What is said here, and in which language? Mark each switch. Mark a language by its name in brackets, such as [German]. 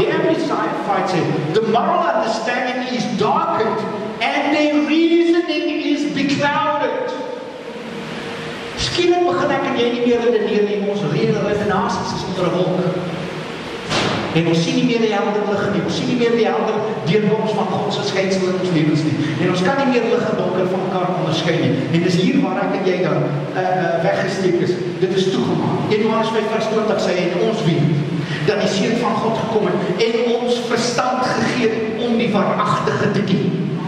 [Afrikaans] Die Amplified sê, [English] the moral understanding is darkened and the reasoning is beclouded. [Afrikaans] Skielik begin ek en jy nie meer redeneer nie, ons redenasies is onder een wolk. En ons sien nie meer die helder lig nie, ons sien nie meer die helder deurkoms van Godse skynsel in ons lewens nie. En ons kan nie meer lig en donker van mekaar onderskei nie. En dis hier waar ek en jy dan weggesteek is. Dit is toegemaak. En Johannes 5 vers 20 sê, en ons weet, dat die Seun van God gekom het, en ons verstand gegee het om die waaragtige te ken.